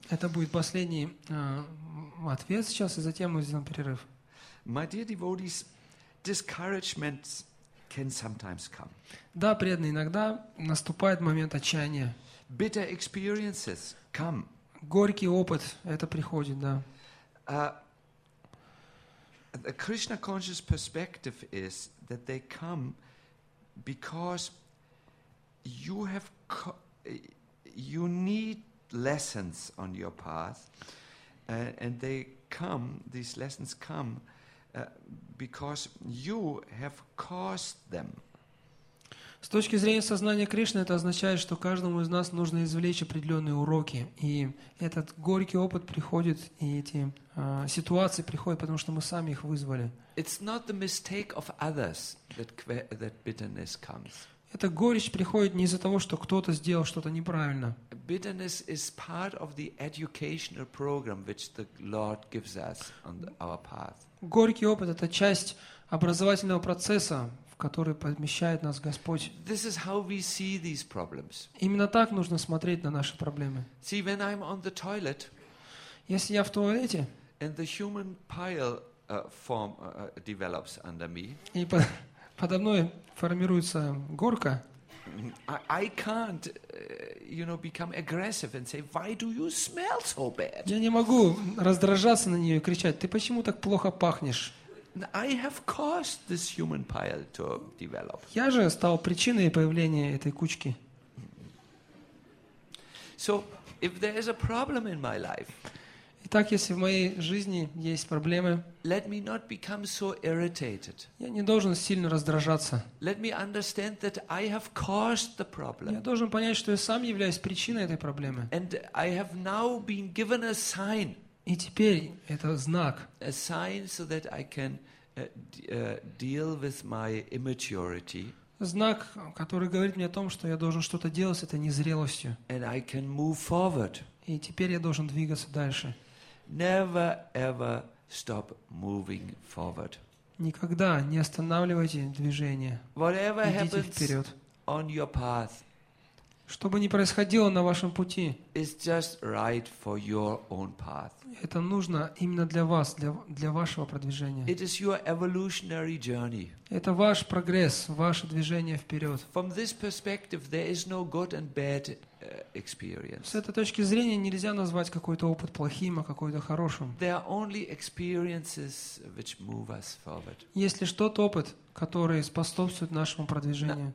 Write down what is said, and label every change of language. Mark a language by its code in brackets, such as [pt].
[ru] Это будет последний ответ сейчас, и затем мы сделаем перерыв. [en] My dear devotees, discouragement can sometimes come. [ru] Да, преданные, иногда наступает момент отчаяния. [en] Bitter experiences come. [ru] Горький опыт, это приходит, да. [en] The Krishna conscious perspective is that they come because you need lessons on your path, and they come. These lessons come because you have caused them. [ru] С точки зрения сознания Кришны, это означает, что каждому из нас нужно извлечь определенные уроки. И этот горький опыт приходит, и эти ситуации приходят, потому что мы сами их вызвали. [en] It's not the mistake of others that bitterness comes. [ru] Эта горечь приходит не из-за того, что кто-то сделал что-то неправильно. [en] Bitterness is part of the educational program which the Lord gives us on our path. [ru] Горький опыт — это часть образовательного процесса, в который помещает нас Господь. [en] This is how we see these problems. [ru] Именно так нужно смотреть на наши проблемы. [en] See, when I'm on the toilet, [ru] если я в туалете, [en] and the human pile form develops under me. [ru] Подо мной формируется горка. [en] I can't, you know, become aggressive and say, why do you smell so bad? [ru] Я не могу раздражаться на нее и кричать: ты почему так плохо пахнешь? [en] I have caused this human pile to develop. [ru] Я же стал причиной появления этой кучки. [en] So, if there is a problem in my life, [ru] итак, если в моей жизни есть проблемы, [en] let me not become so irritated. [ru] Я не должен сильно раздражаться. [en] Let me understand that I have caused the problem. [ru] Я должен понять, что я сам являюсь причиной этой проблемы. [en] And I have now been given a sign. [ru] И теперь это знак. [en] A sign so that I can deal with my immaturity. [ru] Знак, который говорит мне о том, что я должен что-то делать с этой незрелостью. [en] And I can move forward. [ru] И теперь я должен двигаться дальше. [en] Never ever stop moving forward. [ru] Никогда не останавливайте движение. [en] Whatever [ru] идите [en] happens on your path, [ru] что бы ни происходило на вашем пути, [en] it's just right for your own path. [ru] Это нужно именно для вас, для вашего продвижения. [en] It is your evolutionary journey. [ru] Это ваш прогресс, ваше движение вперед. [en] From this perspective, there is no good and bad experience. [ru] С этой точки зрения нельзя назвать какой-то опыт плохим, а какой-то хорошим. [en] There are only experiences which move us forward. [ru] Есть лишь тот опыт, который способствует нашему продвижению.